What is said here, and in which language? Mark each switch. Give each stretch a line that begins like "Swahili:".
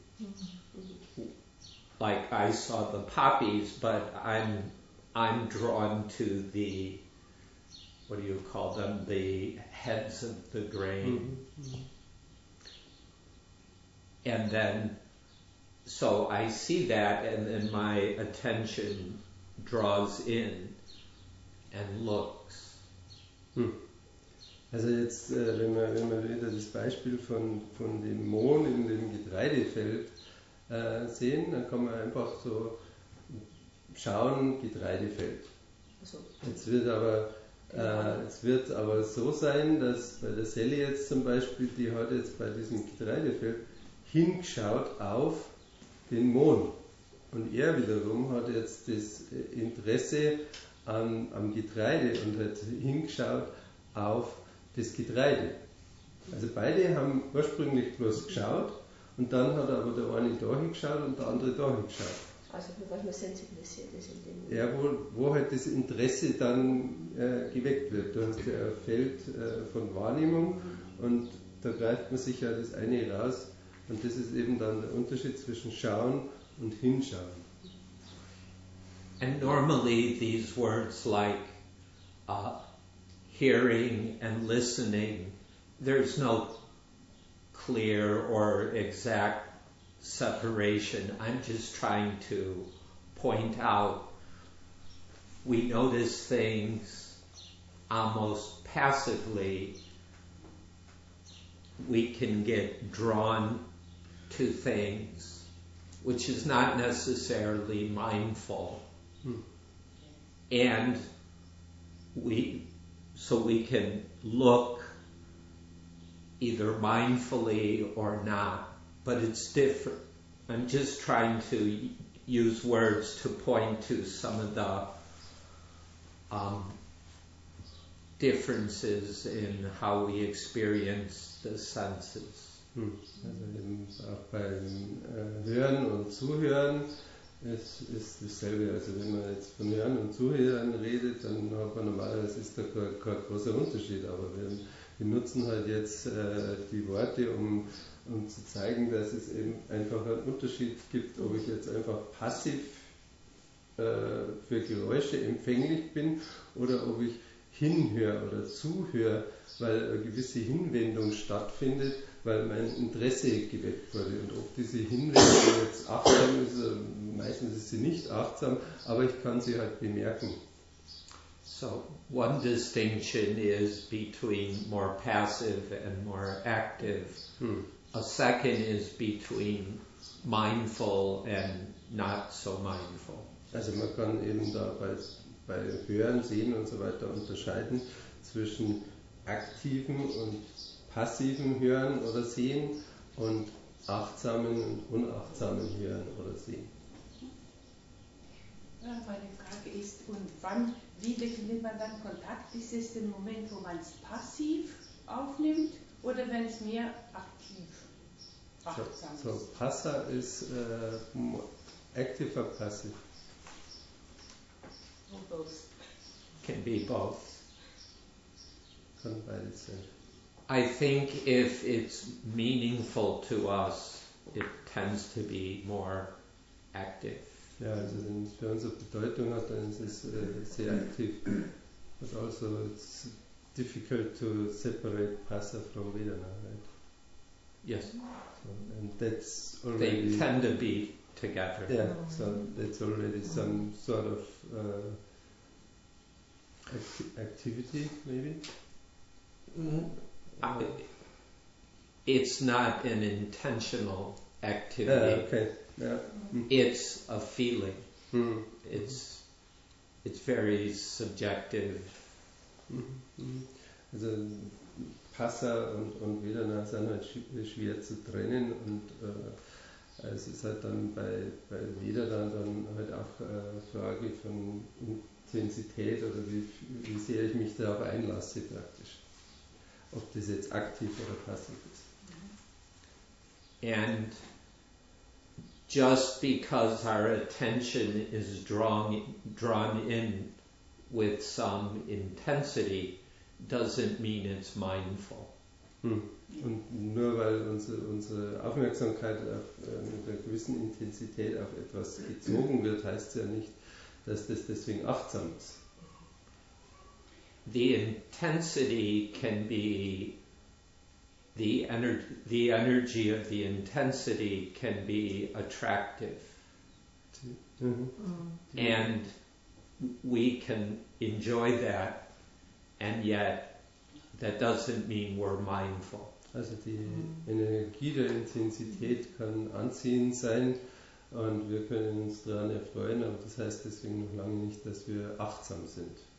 English: Mm. Like I saw the poppies, but I'm drawn to the, what do you call them, the heads of the grain. Mm-hmm. And then, so I see that, and then my attention draws in and looks. Mm.
German: Also jetzt, wenn man wieder das Beispiel von dem Mohn in dem Getreidefeld sehen, dann kann man einfach so schauen, Getreidefeld. Also. Jetzt wird aber so sein, dass bei der Sally jetzt zum Beispiel, die hat jetzt bei diesem Getreidefeld hingeschaut auf den Mohn. Und er wiederum hat jetzt das Interesse am Getreide und hat hingeschaut auf das Getreide. Also beide haben ursprünglich bloß geschaut, und dann hat aber der eine da hingeschaut und der andere da hingeschaut. Das also für was man sensibilisiert ist in dem Moment. Ja, wo halt das Interesse dann geweckt wird. Du hast ja ein Feld von Wahrnehmung und da greift man sich ja das eine raus. Und das ist eben dann der Unterschied zwischen Schauen und Hinschauen.
English: And normally these words like hearing and listening, there's no clear or exact separation. I'm just trying to point out we notice things almost passively. We can get drawn to things, which is not necessarily mindful. And we can look either mindfully or not, but it's different. I'm just trying to use words to point to some of the differences in how we experience the senses.
German: Also eben auch beim Hören und Zuhören ist dasselbe. Also wenn man jetzt von Hören und Zuhören redet, dann hat man normalerweise, ist da kein großer Unterschied. Aber wir nutzen halt jetzt die Worte, um zu zeigen, dass es eben einfach einen Unterschied gibt, ob ich jetzt einfach passiv für Geräusche empfänglich bin oder ob ich hinhöre oder zuhöre, weil eine gewisse Hinwendung stattfindet, weil mein Interesse geweckt wurde. Und ob diese Hinwendung jetzt achtsam ist, meistens ist sie nicht achtsam, aber ich kann sie halt bemerken.
English: So, one distinction is between more passive and more active. A second is between mindful and not so mindful.
German: Also man kann eben da bei Hören, Sehen und so weiter unterscheiden zwischen aktiven und passiven Hören oder Sehen und achtsamen und unachtsamen Hören oder Sehen. Ja, meine Frage ist, und wann, wie definiert man dann Kontakt? Ist es der Moment, wo man es passiv aufnimmt oder wenn es mehr aktiv achtsam so, ist?
English: So, passer ist active or passive? Or both. Can be both.
German: Kann beides sein.
English: I think if it's meaningful to us, it tends to be more active.
German: Ja, also wenn es für uns eine Bedeutung hat, dann ist es sehr aktiv.
English: But also it's difficult to separate passer from vedana, right? Yes. So, and that's already... They tend to be together. Yeah, so that's already some sort of activity, maybe? It's not an intentional activity. It's a feeling. It's very subjective.
German: Also Passa und Vedana sind halt schwer zu trennen und es ist halt dann bei Vedana dann halt auch Frage von Intensität oder wie sehr ich mich darauf einlasse praktisch. Ob das jetzt aktiv oder passiv ist.
English: And just because our attention is drawn in with some intensity doesn't mean it's mindful.
German: Und nur weil unsere Aufmerksamkeit auf einer gewissen Intensität auf etwas gezogen wird, heißt es ja nicht, dass das deswegen achtsam ist.
English: The intensity can be the energy of the intensity can be attractive. And we can enjoy that, and yet that doesn't mean we're mindful.
German: Also die Energie der Intensität kann anziehend sein und wir können uns daran erfreuen, aber das heißt deswegen noch lange nicht, dass wir achtsam sind.